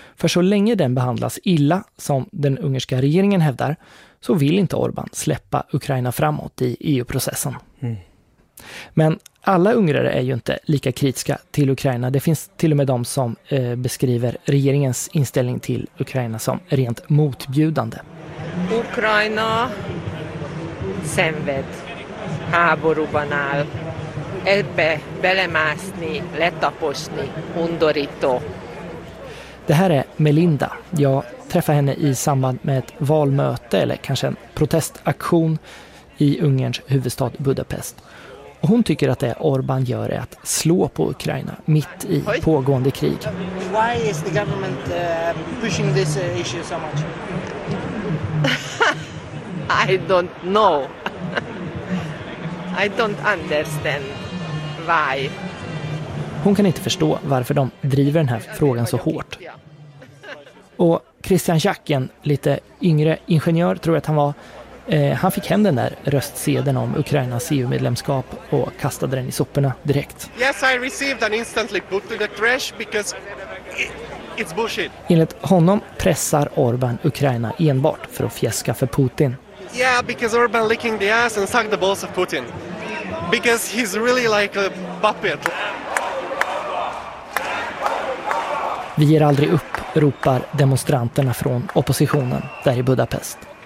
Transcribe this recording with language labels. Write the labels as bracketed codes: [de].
[sv] För så länge den behandlas illa, som den ungerska regeringen hävdar, så vill inte Orbán släppa Ukraina framåt i EU-processen. Mm. Men alla ungrare är ju inte lika kritiska till Ukraina. Det finns till och med de som beskriver regeringens inställning till Ukraina som rent motbjudande. [hu] Ukraina szenved háborúban áll. Ebbe belemászni, letaposni, undorító. [sv] Det här är Melinda. Jag träffar henne i samband med ett valmöte eller kanske en protestaktion i Ungerns huvudstad Budapest. Hon tycker att det Orbán gör är att slå på Ukraina mitt i pågående krig. [en] Why is the government pushing this issue so much? I don't know. I don't understand why. [sv] Hon kan inte förstå varför de driver den här frågan så hårt. Och Christian Jack, en lite yngre ingenjör, tror jag att han var. Han fick hem den där röstsedeln om Ukrainas EU-medlemskap och kastade den i soporna direkt. [en] Yes, I received an instantly put to the trash because it's bullshit. [sv] Enligt honom pressar Orbán Ukraina enbart för att fjäska för Putin. [en] Yeah, because Orbán licking the ass and suck the balls of Putin. Because he's really like a puppet. [sv] Vi ger aldrig upp, ropar demonstranterna från oppositionen där i Budapest.